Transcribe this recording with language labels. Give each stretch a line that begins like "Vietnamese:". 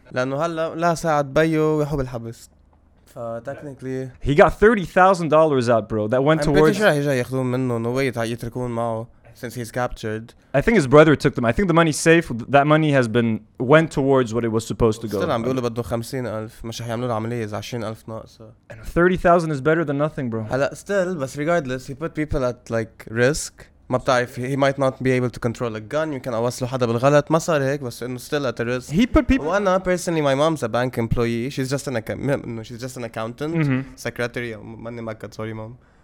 English: Because technically, he got $30,000 out, bro. That went towards... No way, since he's captured. I think his brother took them. I think the money's safe. That money has been went towards what it was supposed to go. Still, I'm going to buy 50,000.
Arabic: مش هيعملوا العملية إذا 20,000 ناقصة.
English: 30,000 is better than nothing, bro. Still, but regardless, he put people at like risk.
Arabic: ما بتعرف,
English: he might not be able to control a gun. You can
Arabic: أوصله حدا بالغلط. ما صار هيك, بس إنه
English: still at a risk. He put people.
Arabic: وأنا
English: personally, my mom's a bank employee. She's just an accountant. No, she's just an accountant, secretary.
Arabic: ماني مكت,
English: sorry, mom.